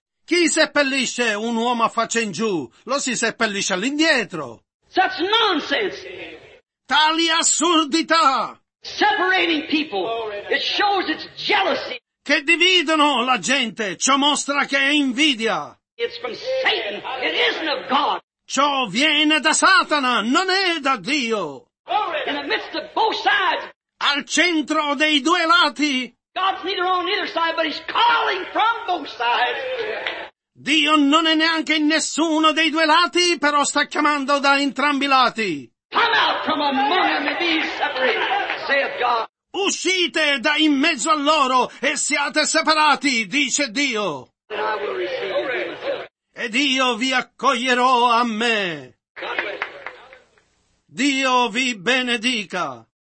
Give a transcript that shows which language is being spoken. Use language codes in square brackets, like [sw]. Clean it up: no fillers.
[it] Chi seppellisce un uomo a faccia in giù? Lo si seppellisce all'indietro. [en] Such nonsense! [it] Tali assurdità! [en] Separating people, it shows it's jealousy. [it] Che dividono la gente, ciò mostra che è invidia. [en] It's from Satan, it isn't of God. [it] Ciò viene da Satana, non è da Dio. [en] In the midst of both sides. [it] Al centro dei due lati. [en] God's neither on either side, but he's calling from both sides. [it] Dio non è neanche in nessuno dei due lati, però sta chiamando da entrambi i lati. [en] Come out from among them and be separated, saith God. [it] Uscite da in mezzo a loro e siate separati, dice Dio. [en] And I will receive you. [it] Ed io vi accoglierò a me. Dio vi benedica.